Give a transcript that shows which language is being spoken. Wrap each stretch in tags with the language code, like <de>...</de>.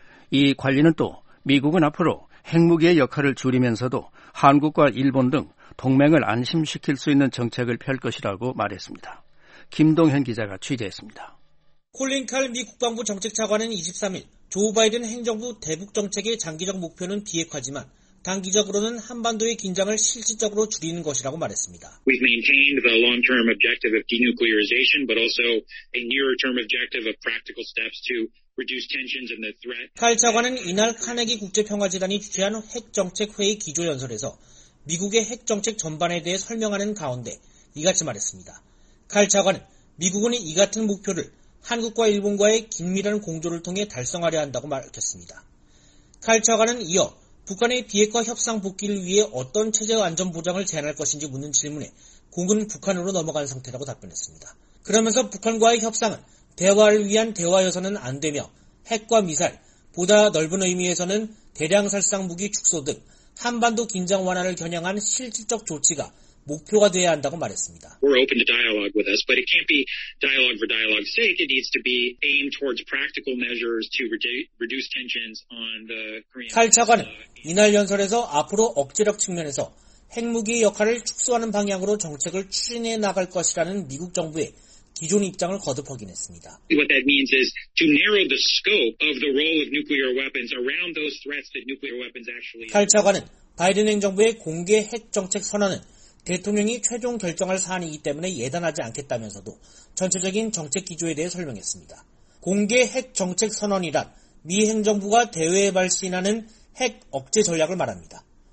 <ko>이 관리는 또 미국은 앞으로 핵무기의 역할을 줄이면서도 한국과 일본 등 동맹을 안심시킬 수 있는 정책을 펼 것이라고 말했습니다. 김동현 기자가 취재했습니다. 콜린 칼 미 국방부 정책차관은 23일 조 바이든 행정부 대북정책의 장기적 목표는 비핵화지만 단기적으로는 한반도의 긴장을 실질적으로 줄이는 것이라고 말했습니다.</ko> <en>We've maintained the long-term objective of denuclearization, but also a nearer-term objective of practical steps to reduce tensions and the threat.</en> <ko>칼 차관은 이날 카네기 국제평화재단이 주최한 핵정책회의 기조연설에서 미국의 핵정책 전반에 대해 설명하는 가운데 이같이 말했습니다. 칼 차관은 미국은 이 같은 목표를 한국과 일본과의 긴밀한 공조를 통해 달성하려 한다고 밝혔습니다. 칼 차관은 이어 북한의 비핵화 협상 복귀를 위해 어떤 체제 안전 보장을 제안할 것인지 묻는 질문에 공은 북한으로 넘어간 상태라고 답변했습니다. 그러면서 북한과의 협상은 대화를 위한 대화여서는 안 되며 핵과 미사일, 보다 넓은 의미에서는 대량 살상 무기 축소 등 한반도 긴장 완화를 겨냥한 실질적 조치가 목표가 되어야 한다고 말했습니다.</ko> <en>We're open to dialogue with us, but it can't be dialogue for dialogue's sake. It needs to be aimed towards practical measures to reduce tensions on the Korean.</en> <ko>칼 차관은 이날 연설에서 앞으로 억제력 측면에서 핵무기의 역할을 축소하는 방향으로 정책을 추진해 나갈 것이라는 미국 정부의 기존 입장을 거듭 확인했습니다.</ko> <en>What that means is to narrow the scope of the role of nuclear weapons around those threats that nuclear weapons actually.</en> <ko>칼 차관은 바이든 행정부의 공개 핵 정책 선언은 대통령이 최종 결정할 사안이기 때문에 예단하지 않겠다면서도 전체적인 정책 기조에 대해 설명했습니다. 공개 핵 정책 선언이란 미 행정부가 대외에 발신하는 핵 억제 전략을 말합니다.</ko>